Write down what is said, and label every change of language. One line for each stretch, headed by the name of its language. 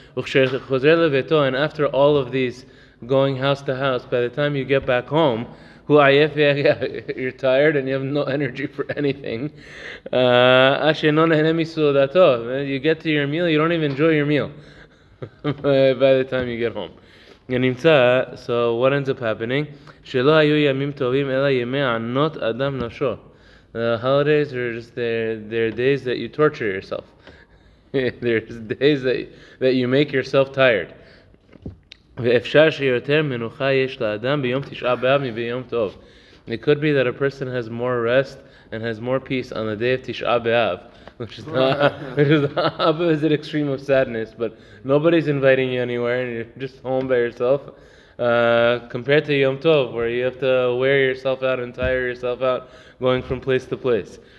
English: And after all of these going house to house, by the time you get back home, you're tired and you have no energy for anything. You get to your meal, you don't even enjoy your meal by the time you get home. So what ends up happening?
Hebrew: שלא היו ימים טובים אלא ימי ענות אדם נשו.
English: The holidays are just they're days that you torture yourself. There's days that you make yourself tired.
Hebrew: ואפשר שיותר מנוחה יש לאדם ביום תשעה באב מביום טוב.
English: It could be that a person has more rest and has more peace on the day of תשעה באב, which is the extreme of sadness, but nobody's inviting you anywhere and you're just home by yourself. Compared to Yom Tov, where you have to wear yourself out and tire yourself out going from place to place.